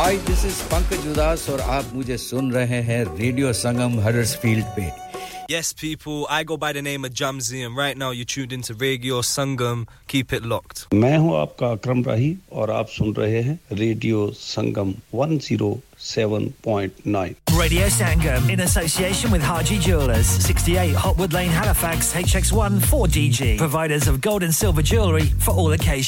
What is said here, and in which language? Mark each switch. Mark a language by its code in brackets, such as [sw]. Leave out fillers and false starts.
[hi] मुझे सुन रहे हैं रेडियो संगम हडर्सफील्ड पे. [en] Yes, people, I go by the name of Jamzy, and right now you're tuned into Radio Sangam. Keep it locked. [hi] मैं हूं आपका अकरम राही और आप सुन रहे हैं radio Sangam 107.9. [en] Radio Sangam, in association with Haji Jewelers, 68 Hotwood Lane, Halifax, HX1 4DG. Providers of gold and silver jewellery for all occasions.